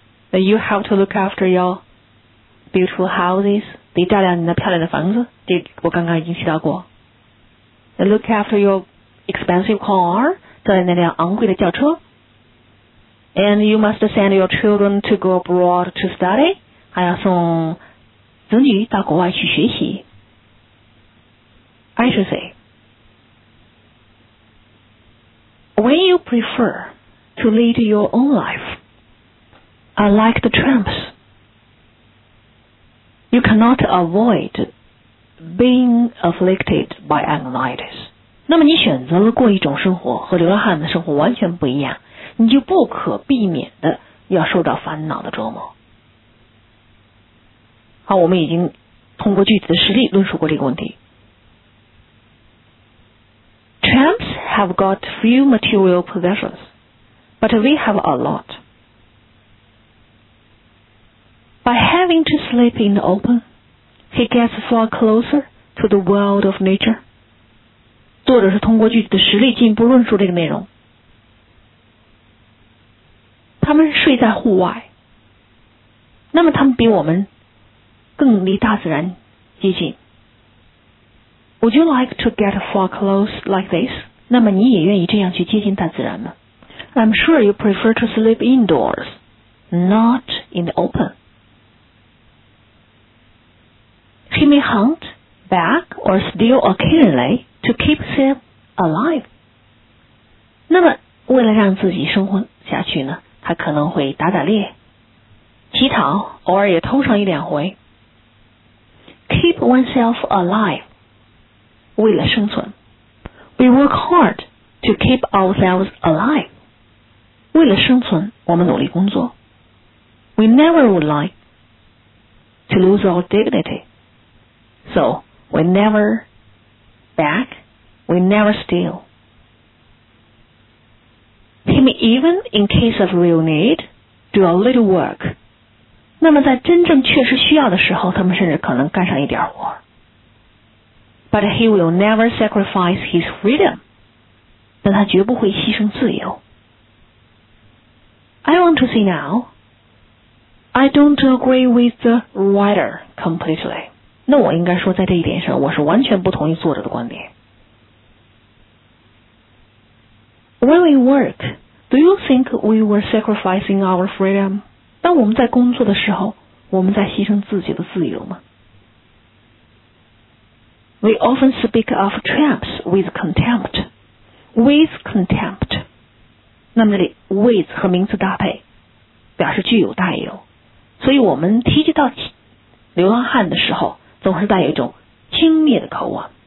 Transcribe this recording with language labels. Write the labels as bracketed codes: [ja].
[en] You have to look after your beautiful houses， [zh] 你照料你的漂亮的房子，这我刚刚已经提到过。 [en] Look after your expensive car， [zh] 照料那辆昂贵的轿车。 [en] And you must send your children to go abroad to study， [zh] 还要送子女到国外去学习。 [en] I should say。 When you prefer to lead your own life, unlike the tramps, you cannot avoid being afflicted by anxiety. [zh] 那么你选择了过一种生活，和流浪汉的生活完全不一样，你就不可避免的要受到烦恼的折磨。好，我们已经通过句子的实例论述过这个问题。 [en] Tramps have got few material possessions, but we have a lot. By having to sleep in the open, he gets far closer to the world of nature. [zh] 作者是通过句子的实例进一步论述这个内容。他们睡在户外，那么他们比我们更离大自然接近。 [en] Would you like to get far close like this? [zh] 那么你也愿意这样去接近大自然吗？ [en] I'm sure you prefer to sleep indoors, not in the open. He may hunt, bag, or steal occasionally to keep himself alive. [zh] 那么为了让自己生活下去呢，他可能会打打猎，乞讨，偶尔也偷上一两回。 [en] Keep oneself alive. [zh] 为了生存 [en] We work hard to keep ourselves alive. [zh] 为了生存我们努力工作。 [en] We never would like to lose our dignity. So we never beg, we never steal. He may even in case of real need do a little work. [zh] 那么在真正确实需要的时候，他们甚至可能干上一点活。 [en] But he will never sacrifice his freedom. [zh] 但他绝不会牺牲自由。 [en] I want to say now, I don't agree with the writer completely. [zh] 那我应该说在这一点上，我是完全不同意作者的观点。 [en] When we work, do you think we were sacrificing our freedom? [zh] 当我们在工作的时候，我们在牺牲自己的自由吗？ [en] We often speak of tramps with contempt. With contempt. [zh] 那么这里 with 和名词搭配表示具有带有，所以我们提及到流浪汉的时候总是带有一种轻蔑的口吻。